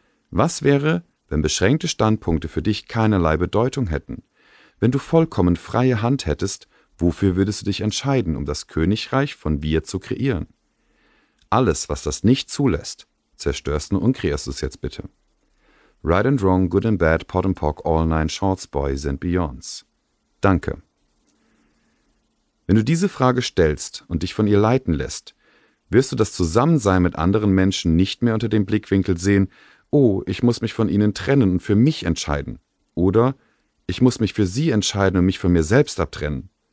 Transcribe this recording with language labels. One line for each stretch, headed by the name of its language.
German: Was wäre, wenn beschränkte Standpunkte für dich keinerlei Bedeutung hätten? Wenn du vollkommen freie Hand hättest, wofür würdest du dich entscheiden, um das Königreich von Wir zu kreieren? Alles, was das nicht zulässt, zerstörst du und kreierst es jetzt bitte.
English: Right and Wrong, Good and Bad, Pot and Pock, All Nine, Shorts, Boys and Beyonds.
German: Danke. Wenn du diese Frage stellst und dich von ihr leiten lässt, wirst du das Zusammensein mit anderen Menschen nicht mehr unter dem Blickwinkel sehen, oh, ich muss mich von ihnen trennen und für mich entscheiden. Oder ich muss mich für sie entscheiden und mich von mir selbst abtrennen.